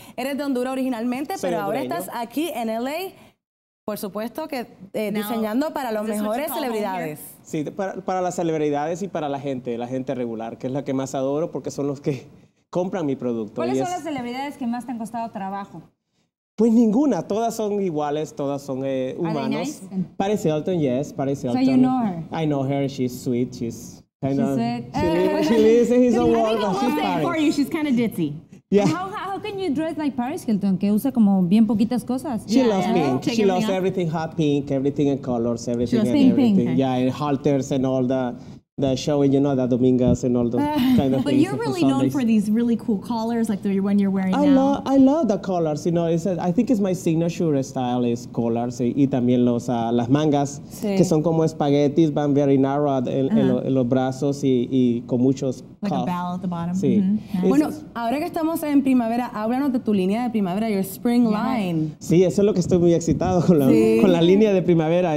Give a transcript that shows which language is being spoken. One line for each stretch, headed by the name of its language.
Spanish: Eres de Honduras originalmente, pero ahora estás aquí en LA, por supuesto que diseñando para los mejores celebridades. Sí, para las celebridades y para la gente regular, que es la que más adoro porque son los que compran mi producto. ¿Cuáles son las celebridades que más te han costado trabajo? Pues ninguna, todas son iguales, todas son humanos.
English: Are they nice? Paris Hilton, yes, Paris Hilton. So you know her? I know her, she's sweet, she's kind of... She lives in his own world, but she's Paris. For you, she's kind of ditzy. Yeah. How can you dress like Paris Hilton,
Spanish: que usa como bien poquitas cosas?
English: She loves pink. She loves everything hot pink, everything in colors, everything and everything. Yeah, and halters and all the show, and you know, the Domingas and all the kind of But you're really known for these really cool collars, like the one you're wearing now. I love the collars. You know, I think it's my signature style is collars.
Spanish: Y también las mangas, que son como espaguetis, van
English: very narrow
Spanish: en los brazos y con muchos
English: like cuff. A bell at the bottom.
Spanish: Sí. Mm-hmm. Yeah. Bueno, ahora que estamos en primavera, háblanos de tu línea de primavera,
English: your spring line.
Spanish: Sí, eso es lo que estoy muy excitado con la línea de primavera.